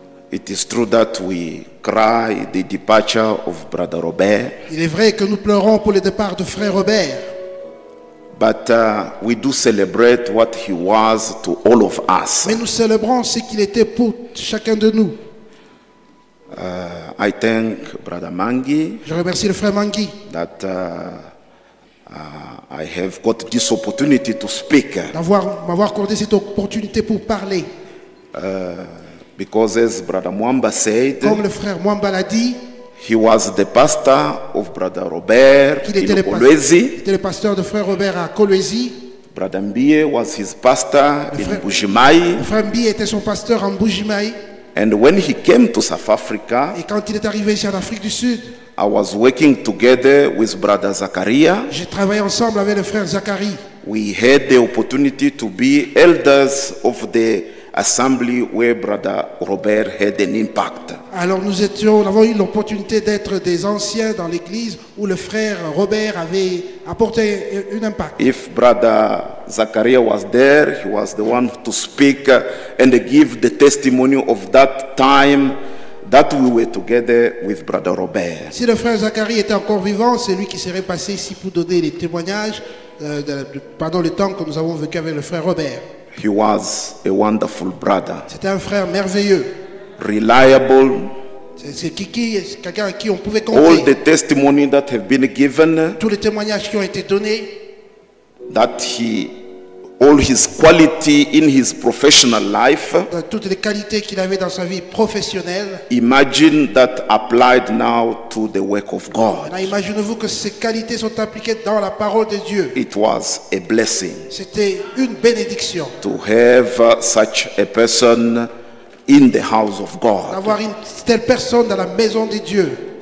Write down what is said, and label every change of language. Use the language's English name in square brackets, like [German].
[English] It is true that we cry the departure of Brother Robert. [French] Il est vrai que nous pleurons pour le départ de frère Robert. [English] But we do celebrate what he was to all of us. [French] Mais nous célébrons ce qu'il était pour chacun de nous. [English] I thank Brother Mangi. [French] Je remercie le frère Mangi. [English] That I have got this opportunity to speak. [French] M'avoir accordé cette opportunité pour parler. [English] Because as Brother Mwamba said, [French] comme le frère Mwamba l'a dit, [English] he was the pastor of Brother Robert in Kolwezi. [French] Il était le pasteur de frère Robert à Kolwezi. [English] Brother Mbie was his pastor in Mbujimayi. [French] Le frère Mbie était son pasteur en Mbujimayi. [English] And when he came to South Africa, [French] et quand il est arrivé ici en Afrique du Sud, [English] I was working together with Brother Zakaria. [French] J'ai travaillé ensemble avec le frère Zakaria. [English] We had the opportunity to be elders of the assembly where Brother Robert had an impact. [French] Alors nous avons eu l'opportunité d'être des anciens dans l'église où le frère Robert avait apporté un impact. [English] If Brother Zakaria was there, he was the one to speak and give the testimony of that time that we were together with Brother Robert. [French] Si le frère Zakaria était encore vivant, c'est lui qui serait passé ici pour donner les témoignages pendant le temps que nous avons vécu avec le frère Robert. [English] He was a wonderful brother. [French] C'était un frère merveilleux. [English] Reliable. [French] C'est quelqu'un à qui on pouvait compter. [English] All the testimonies that have been given. [French] Tous les témoignages qui ont été donnés. [English] That he, all his quality in his professional life. [French] Toutes les qualités qu'il avait dans sa vie professionnelle. [English] Imagine that applied now to the work of God. [French] Imaginez-vous que ces qualités sont appliquées dans la parole de Dieu. [English] It was a blessing. [French] C'était une bénédiction. [English] To have such a person in the house of God. [French] D'avoir une telle personne dans la maison de Dieu.